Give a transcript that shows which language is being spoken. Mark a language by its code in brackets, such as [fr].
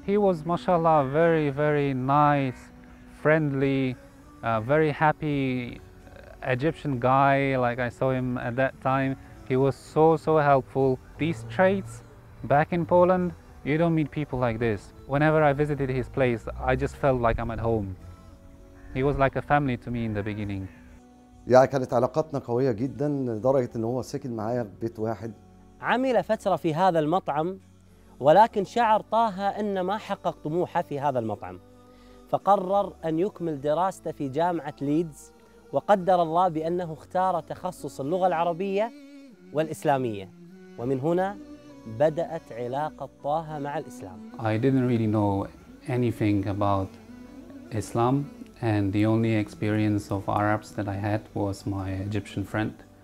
[en] He was mashallah very very nice friendly very happy Egyptian guy like I saw him at that time he was so so helpful these traits back in Poland you don't meet people like this whenever I visited his place I just felt like I'm at home he was like a family to me in the beginning [ar] يعني كانت علاقتنا قوية جدا لدرجة إن هو سكن معايا في بيت واحد. عمل فترة في هذا المطعم ولكن شعر طه إن ما حقق طموحه في هذا المطعم. فقرر أن يكمل دراسته في جامعة ليدز وقدر الله بأنه اختار تخصص اللغة العربية والإسلامية. ومن هنا بدأت علاقة طه مع الإسلام. [en] I didn't really know anything about Islam. And the only experience of Arabs that I had was my Egyptian friend.